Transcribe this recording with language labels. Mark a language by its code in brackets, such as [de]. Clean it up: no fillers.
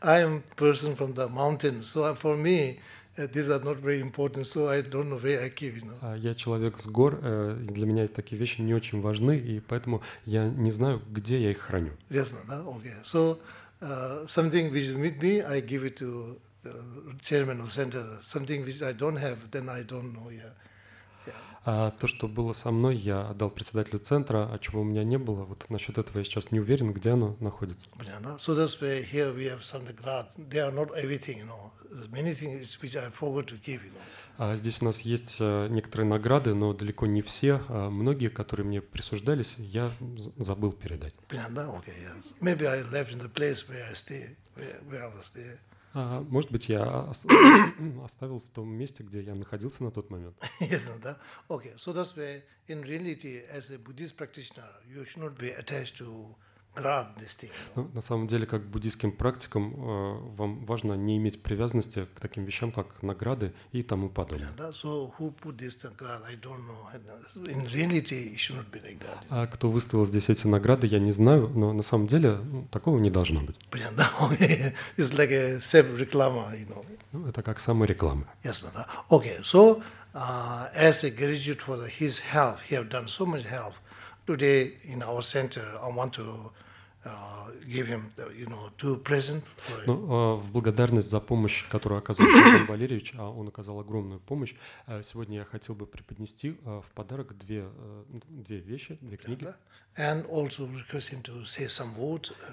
[en] I am person from the mountain, so for me these are not very important. So I don't know where I keep. [ru] Я человек с гор, для меня такие вещи не очень важны, и поэтому я не знаю, где я их храню. [en] Yes, no, okay. So. Something which is with me, I give it to the chairman of the center. Something which I don't have, then I don't know. [ru] То, что было со мной, я отдал председателю центра, а чего у меня не было, вот насчет этого я сейчас не уверен, где оно находится. [en] So that's why here we have some glad. They are not everything, you know. There's many things which I forgot to give, you know. [ru] Здесь у нас есть некоторые награды, но далеко не все. Многие, которые мне присуждались, я забыл передать. Понятно? [en] Okay, yes. Maybe I left in the place where I stay, where I was there. [ru] Может быть, я оставил в том месте, где я находился на тот момент. [en] Yes, no, да? Okay, so that's why in reality, as a Buddhist practitioner, you should not be attached to grad this thing. [ru] Ну, на самом деле, как буддийским практикам, вам важно не иметь привязанности к таким вещам, как награды и тому подобное. [en] Yeah, да? So who put this grad? I don't know. In reality, it should not be like that. [ru] Кто выставил здесь эти награды, я не знаю, но на самом деле такого не должно быть. Понятно. [en] Yeah, it's like a self-реклама, you know. [ru] Ну, это как самореклама. [en] Yes, no, да? Okay, so as a gratitude for his help, he have done so much help. Today in our center, I want to give him, two presents. [ru] Ну, в благодарность за помощь, которую оказал Шалбан Валерьевич, а он оказал огромную помощь. Сегодня я хотел бы преподнести в подарок две вещи, две книги. [en] And also request him to say some words,